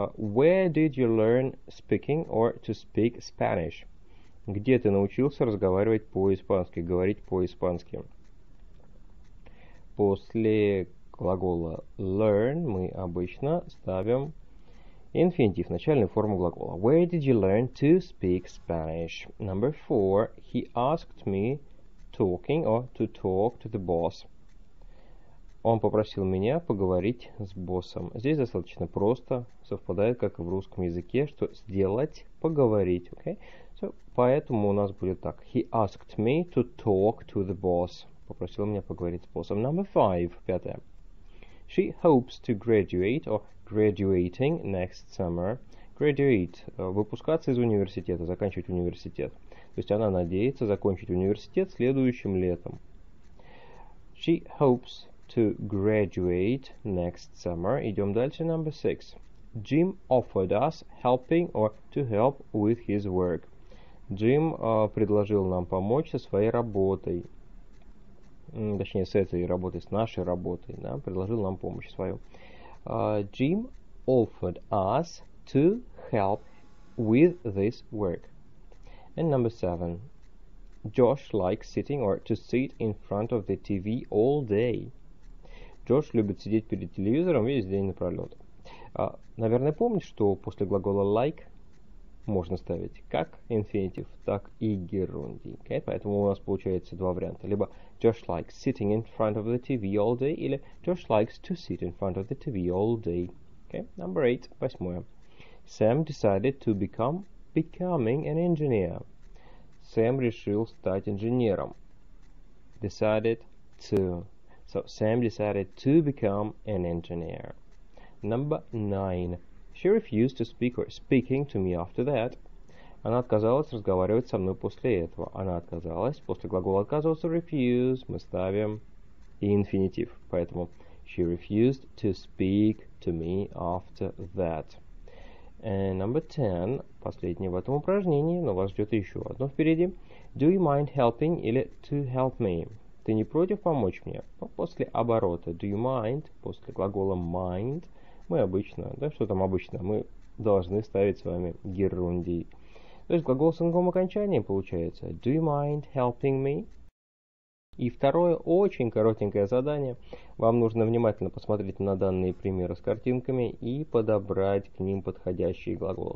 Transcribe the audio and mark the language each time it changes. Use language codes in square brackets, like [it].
[en] Where did you learn speaking or to speak Spanish? [ru] Где ты научился разговаривать по-испански, говорить по-испански? После глагола learn мы обычно ставим инфинитив, начальную форму глагола. [en] Where did you learn to speak Spanish? Number four. He asked me talking or to talk to the boss. [ru] Он попросил меня поговорить с боссом. Здесь достаточно просто, совпадает, как и в русском языке, что сделать, поговорить. [en] Okay? [ru] So, поэтому у нас будет так. [en] He asked me to talk to the boss. [ru] Попросил меня поговорить с боссом. [en] Number five. [ru] Пятое. [en] She hopes to graduate or graduating next summer. Graduate. [ru] Выпускаться из университета, заканчивать университет. То есть она надеется закончить университет следующим летом. [en] She hopes to graduate next summer. [ru] Идем дальше. [en] Number six. Jim offered us helping or to help with his work. [ru] Jim предложил нам помочь со своей работой. Точнее, с этой работой, с нашей работой, да, предложил нам помощь свою. [en] Jim offered us to help with this work. And number seven. Josh likes sitting or to sit in front of the TV all day. [ru] Josh любит сидеть перед телевизором весь день напролет. Наверное, помнишь, что после глагола like можно ставить как инфинитив, так и герунди. [en] Okay? [ru] Поэтому у нас получается два варианта. [en] Либо Josh likes sitting in front of the TV all day, или Josh likes to sit in front of the TV all day. Okay? Number eight, восьмое. Sam decided to becoming an engineer. [ru] Sam решил стать инженером. [en] Decided to. So, Sam decided to become an engineer. Number nine. She refused to speak or speaking to me after that. [ru] Она отказалась разговаривать со мной после этого. Она отказалась. После глагола отказываться, refuse, мы ставим инфинитив. [en] Поэтому she refused to speak to me after that. And number 10. [ru] Последнее в этом упражнении, но вас ждет еще одно впереди. [en] Do you mind helping или to help me? [ru] Ты не против помочь мне? Но после оборота do you mind, после глагола mind, мы обычно, да, что там обычно, мы должны ставить с вами герунди. То есть глагол с инговым окончанием получается [en] do you mind helping me? [ru] И второе, очень коротенькое задание. Вам нужно внимательно посмотреть на данные примеры с картинками и подобрать к ним подходящие глаголы.